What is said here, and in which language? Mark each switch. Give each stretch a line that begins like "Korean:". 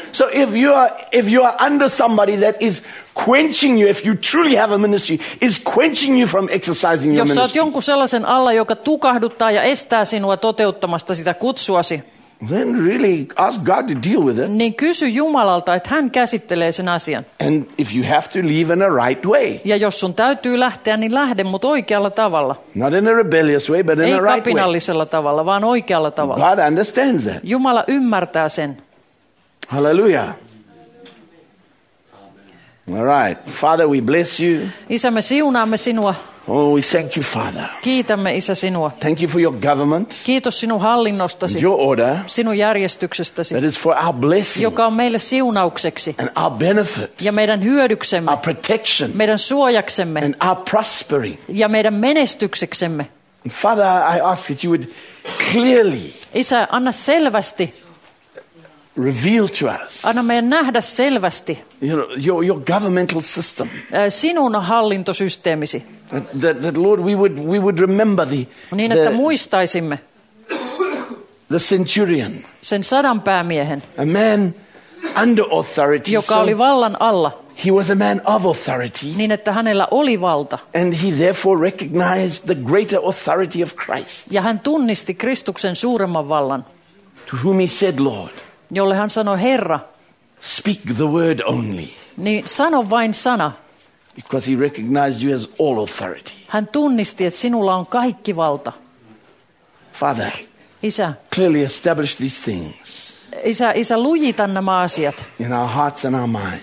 English: So if you are under somebody that is quenching you, if you truly have a ministry, is quenching you from exercising your ministry.
Finnish: Jos olet jonkun sellaisen alla, joka tukahduttaa ja estää sinua toteuttamasta sitä kutsuasi,
English: then really ask God to deal with it.
Finnish: Niin kysy Jumalalta, että hän käsittelee sen asian.
English: And if you have to leave in a right way.
Finnish: Ja jos sun täytyy lähteä, niin lähde, mutta oikealla tavalla.
English: Not in a rebellious way, but in a right way.
Finnish: Ei kapinallisella tavalla, vaan oikealla tavalla.
English: God understands that.
Finnish: Jumala ymmärtää sen.
English: Hallelujah. All right. Father, we bless you.
Finnish: Isä, me siunaamme sinua.
English: Oh, we thank you, Father.
Finnish: Kiitämme, Isä, sinua.
English: Thank you for your government.
Finnish: Kiitos sinun hallinnostasi.
English: Your order.
Finnish: Sinun järjestyksestäsi.
English: That is for our blessing.
Finnish: Joka on meille siunaukseksi.
English: And our benefit.
Finnish: Ja meidän hyödyksemme.
English: Our protection.
Finnish: Meidän suojaksemme.
English: And our prospering.
Finnish: Ja meidän menestykseksemme.
English: Father, I ask that you would clearly,
Finnish: Isä, anna selvästi,
English: reveal to us,
Finnish: anna meidän nähdä selvästi,
English: you know, your governmental system,
Finnish: sinun hallintosysteemisi,
English: that Lord, we would remember the,
Finnish: niin että muistaisimme,
English: the centurion,
Finnish: sen sadan päämiehen,
English: a man under authority,
Finnish: joka oli vallan alla.
English: He was a man of authority.
Finnish: Niin että hänellä oli valta.
English: And he therefore recognized the greater authority of Christ.
Finnish: Ja hän tunnisti Kristuksen suuremman vallan.
English: To whom he said, Lord.
Finnish: Jolle hän sanoi, Herra.
English: Speak the word only.
Finnish: Niin sano vain sana.
English: Because he recognized you as all authority.
Finnish: Hän tunnisti, että sinulla on kaikki valta.
English: Father.
Finnish: Isä.
English: Clearly establish these things.
Finnish: Isä, lujita nämä asiat
English: in our hearts and our minds.